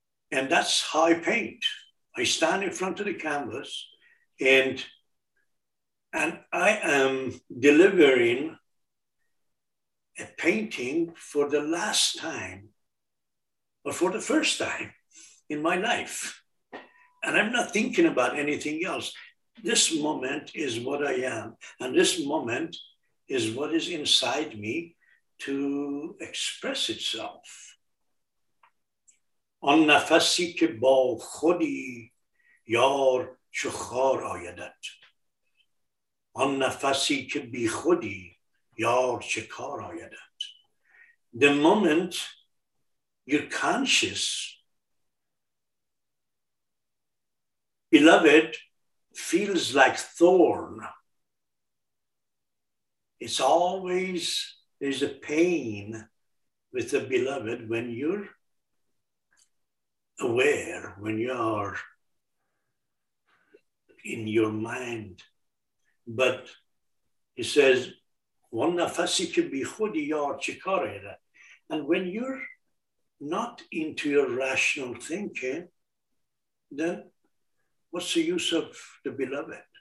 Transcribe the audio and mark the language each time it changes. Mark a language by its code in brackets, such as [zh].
[en] And that's how I paint. I stand in front of the canvas and I am delivering a painting for the last time or for the first time in my life. And I'm not thinking about anything else. This moment is what I am. And this moment is what is inside me to express itself. [fa] آن نفسی که با خودی یار چخار آیدت آن نفسی که بی خودی یار چکار آیدت [en] The moment you're conscious, beloved, feels like thorn. It's always there's a pain with the beloved when you're aware, when you are in your mind. But he says, and when you're not into your rational thinking, then what's the use of the beloved?